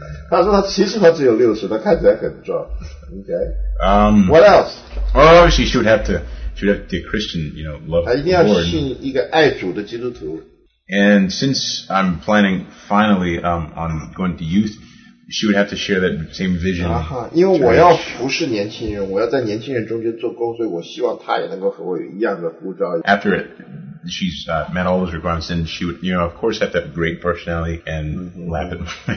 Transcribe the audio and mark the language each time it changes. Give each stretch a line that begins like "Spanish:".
Chinese: 他说他其实他只有60，他看起来很壮。
English: Okay. What else? Well, obviously, she would have to be a Christian, you know, love the Lord.
Chinese: 他一定要信一个爱主的基督徒。
English: And since I'm planning finally on going to youth,She would have to share that same vision.
Chinese: 啊哈，因为我要服侍年轻人，我要在年轻人中间做工，所以我希望她也能够和我有一样的呼召。
English: After it, she's met all those requirements, and she would, you know, of course, have to have a great personality and laugh at my